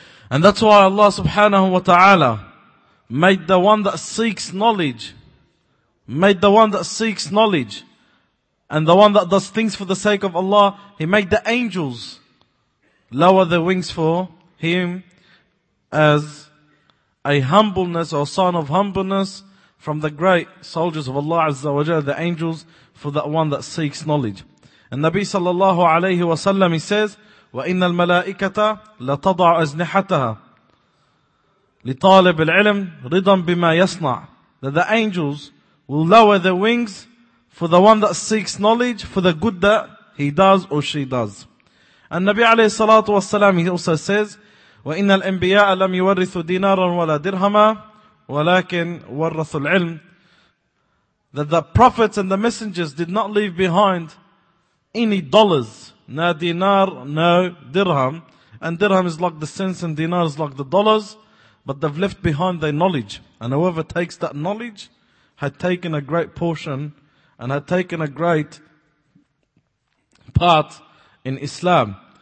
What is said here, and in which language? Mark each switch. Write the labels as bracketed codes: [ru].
[en] And that's why Allah subhanahu wa ta'ala made the one that seeks knowledge, and the one that does things for the sake of Allah, he made the angels lower their wings for him as a humbleness or sign of humbleness from the great soldiers of Allah Azza wa Jalla, the angels, for that one that seeks knowledge. [ar] And Nabi sallallahu alayhi wa sallam, [en] he says, [ar] وَإِنَّ الْمَلَائِكَةَ لَتَضَعُ أَزْنِحَتَهَا لِطَالِبِ الْعِلْمِ رِضًا بِمَا يَصْنَعُ. [en] That the angels will lower their wings for the one that seeks knowledge, for the good that he does or she does. [ar] And Nabi alayhi salatu wa salam, [en] he also says, [ar] وَإِنَّ الْأَنْبِيَاءَ لَمْ يُوَرِّثُوا دِينَارًا وَلَا دِرْهَمًا وَلَكِنْ وَرَّثُوا الْعِلْمِ. [en] That the prophets and the messengers did not leave behind any dollars. No dinar, no dirham. And dirham is like the cents and dinar is like the dollars. But they've left behind their knowledge. And whoever takes that knowledge had taken a great portion and had taken a great part in Islam.